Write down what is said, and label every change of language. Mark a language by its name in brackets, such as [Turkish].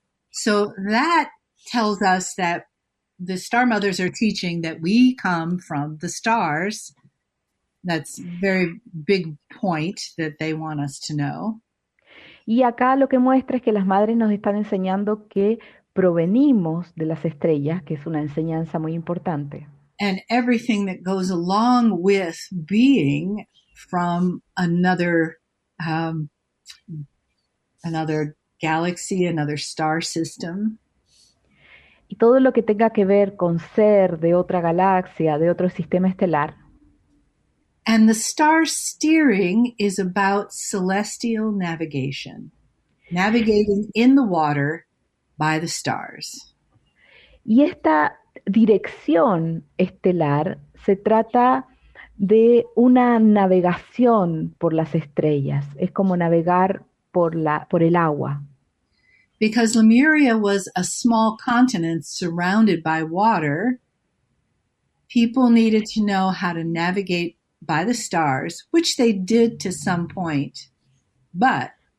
[English] So that tells us that the Star Mothers are teaching that we come from the stars. That's a very big point that they want us to know. [Spanish] Y acá lo que muestra es que las madres nos están enseñando que provenimos de las estrellas, que es una enseñanza muy importante. [English] And everything that goes along with being from another another galaxy, another star system. [Spanish] Y todo lo que tenga que ver con ser de otra galaxia, de otro sistema estelar. [English] And the star steering is about celestial navigation, navigating in the water by the stars. [Spanish] Y esta dirección estelar se trata de una navegación por las estrellas. Es como navegar por el agua. [English] Because Lemuria was a small continent surrounded by water, people needed to know how to navigate by the stars, which they did to some point, but...